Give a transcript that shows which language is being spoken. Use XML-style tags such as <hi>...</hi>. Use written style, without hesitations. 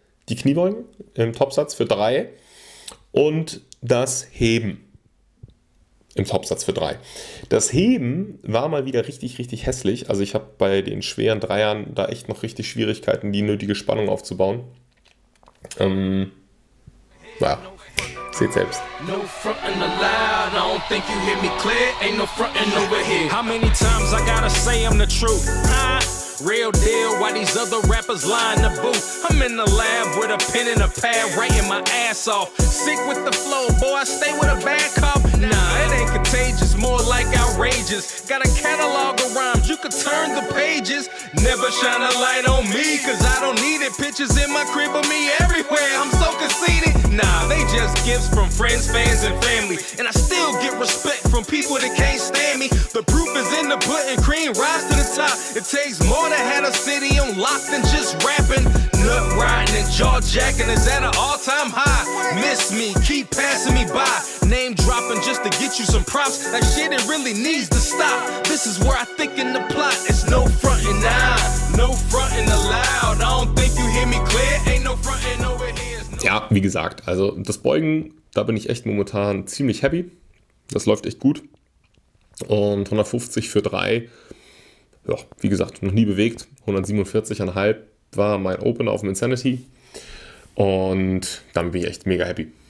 <de>Die Kniebeugen im Topsatz für 3 und das Heben. Im Topsatz für 3. Das Heben war mal wieder richtig, richtig hässlich. Also ich habe bei den schweren Dreiern da echt noch richtig Schwierigkeiten, die nötige Spannung aufzubauen. Seht selbst.</de> <en>No frontin' allowed, I don't think you hear me clear. Ain't no frontin' over here. How many times I gotta say I'm the truth? Real deal, why these other rappers line the booth? I'm in the lab with a pen and a pad, writing my ass off. Sick with the flow, boy, I stay with a bad cop. Nah, it ain't contagious, more like outrageous. Got a catalog of rhymes, you could turn the pages. Never shine a light on me, cause I don't need it. Pictures in my crib of me everywhere, I'm so conceited. Nah, they just gifts from friends, fans, and family. And I still get respect from people that can't stand me. The proof is in the pudding, cream rise to the top. It takes more to have a city on lock than just rapping. Nut riding and jaw jacking is at an all-time high. Miss me, keep passing me by. Name dropping just to get you some props. That shit, it really needs to stop. This is where I think in the plot. It's no frontin' now, no frontin' allowed. I don't think you hear me clear. Ain't no frontin' over here.</en> <de>Ja, wie gesagt, also das Beugen, da bin ich echt momentan ziemlich happy. Das läuft echt gut. Und 150 für 3, ja, wie gesagt, noch nie bewegt. 147,5 war mein Opener auf dem Insanity. Und dann bin ich echt mega happy.</de>